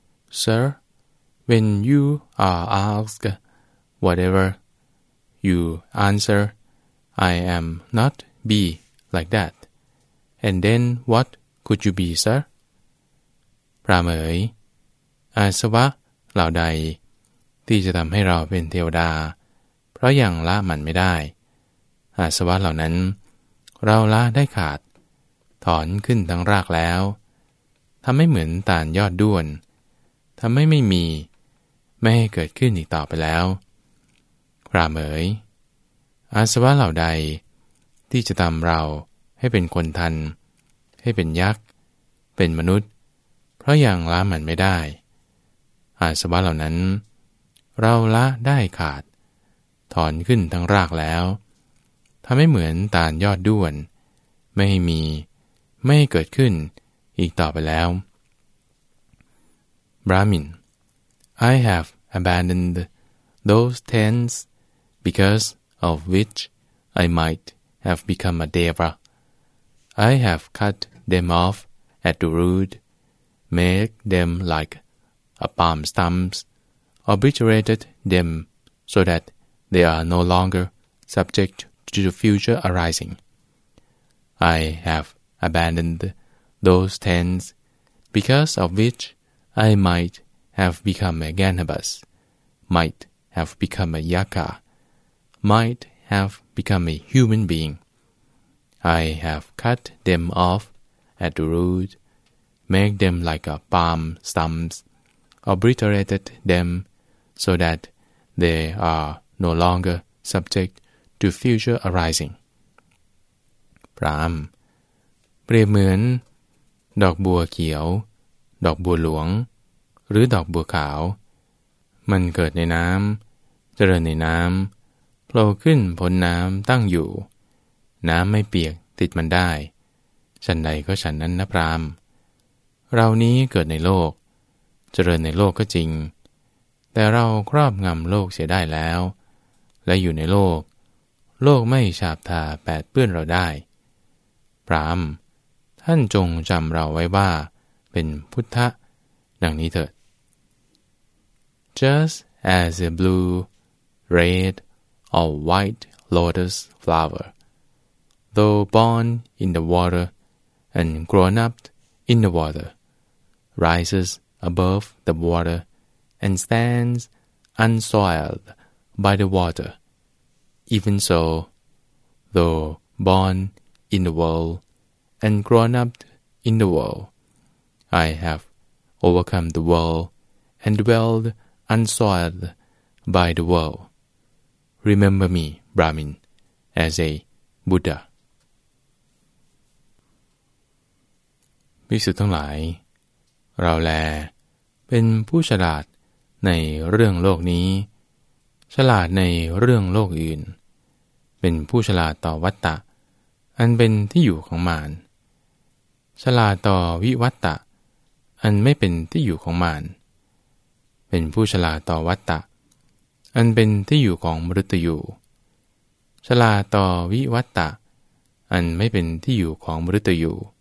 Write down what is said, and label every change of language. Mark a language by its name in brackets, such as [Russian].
[English] "Sir, when you are asked whatever, you answer, I am not be like that. And then what could you be, sir?" [Thai] พราหมณ์เอ๋ยอาสวะเหล่าใดที่จะทำให้เราเป็นเทวดาเพราะยังละมันไม่ได้อาสวะเหล่านั้นเราละได้ขาดถอนขึ้นทั้งรากแล้วทำให้เหมือนตาลยอดด้วนทำให้ไม่มีไม่ให้เกิดขึ้นอีกต่อไปแล้ว พราหมณ์เอ๋ยอาสวะเหล่าใดที่จะทำเราให้เป็นคนทันให้เป็นยักษ์เป็นมนุษย์เพราะยังละมันไม่ได้อาสวะเหล่านั้นเราละได้ขาดถอนขึ้นทั้งรากแล้วทำให้เหมือนตาลยอดด้วนไม่ให้มีไม่เกิดขึ้นอีกต่อไปแล้ว [English] Brahmin, I have abandoned those tens because of which I might have become a deva. I have cut them off at the root, made them like a palm stumps, obliterated them so that they are no longer subject to the future arising. I have abandoned those tens because of which I might have become a Ganabas, might have become a Yaka, might have become a human being. I have cut them off at the root, made them like a palm stumps, obliterated them so that they are no longer subject to future arising. [Thai] พราหมณ์เปรียบเหมือนดอกบัวเขียวดอกบัวหลวงหรือดอกบัวขาวมันเกิดในน้ำเจริญในน้ำโผล่ขึ้นพ้นน้ำตั้งอยู่น้ำไม่เปียกติดมันได้ฉันใดก็ฉันนั้นนะพราหมณ์ เรานี้เกิดในโลกเจริญในโลกก็จริงแต่เราครอบงำโลกเสียได้แล้วและอยู่ในโลกโลกไม่ฉาบทาแปดเปื้อนเราได้พราหมณ์ท่านจงจำเราไว้ว่าเป็นพุทธะดังนี้เถิด [English] Just as a blue, redA white lotus flower, though born in the water and grown up in the water, rises above the water and stands unsoiled by the water. Even so, though born in the world and grown up in the world, I have overcome the world and dwelled unsoiled by the world. Remember me, Brahmin, as a Buddha. [Thai] ภิกษุทั้งหลายเราแลเป็นผู้ฉลาดในเรื่องโลกนี้ฉลาดในเรื่องโลกอื่นเป็นผู้ฉลาดต่อวัตตะอันเป็นที่อยู่ของมารฉลาดต่อวิวัตตะอันไม่เป็นที่อยู่ของมารเป็นผู้ฉลาดต่อวัตตะอันเป็นที่อยู่ของมฤตยูฉลาดต่อวิวัตตะอันไม่เป็นที่อยู่ของมฤตยู